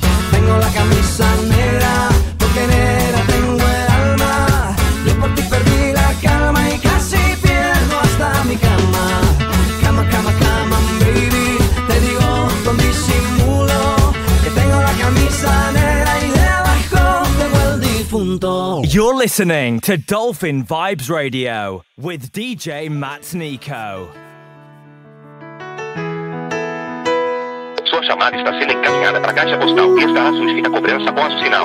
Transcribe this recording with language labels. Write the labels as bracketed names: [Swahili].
[Spanish] Tengo la camisa negra porque negra tengo el alma. Yo por ti perdí la calma y casi pierdo hasta mi cama. Cama, cama, cama, baby. Te digo con disimulo que tengo la camisa negra y debajo tengo el difunto. [English] You're listening to Dolphin Vibes Radio with DJ MatsNikko. [Portuguese] Sua chamada está sendo encaminhada para a caixa postal e estará solicitada a cobrança com o sinal.